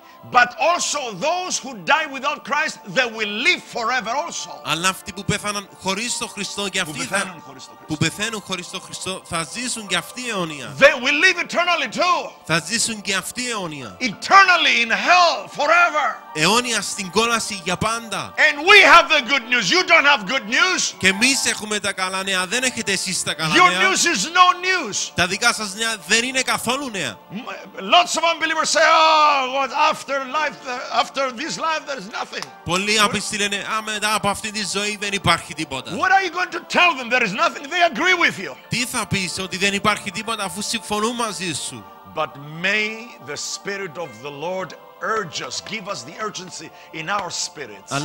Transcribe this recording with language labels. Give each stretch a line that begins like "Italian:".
English: But also those who die without Christ, they will live forever also.
Greek: Αλλά αυτοί που πέθαναν χωρίς τον Χριστό και αυτοί που πεθαίνουν χωρίς τον Χριστό θα ζήσουν και αυτοί αιώνια.
English: They will live eternally too.
Greek: Θα ζήσουν και αυτοί αιώνια.
English: Eternally in hell forever.
Greek: Αιώνια στην κόλαση για πάντα.
English: And we have the good news. You don't have good news.
Greek: Και εμείς έχουμε τα καλά νέα. Δεν έχετε εσείς τα καλά νέα.
English: Your news is no news.
Greek: Τα δικά σας νέα δεν είναι καθόλου νέα.
English: Lots of unbelievers say, oh, what after? After this life, there is nothing.
Greek: Πολλοί άπιστοι λένε, α, μετά από αυτή τη ζωή δεν υπάρχει τίποτα.
English: What are you going to tell them? There is nothing. They agree with you.
Greek: Τι θα πεις ότι δεν υπάρχει τίποτα αφού συμφωνούν μαζί σου.
English: But may the Spirit of the Lord urge us, give us the urgency in our spirits.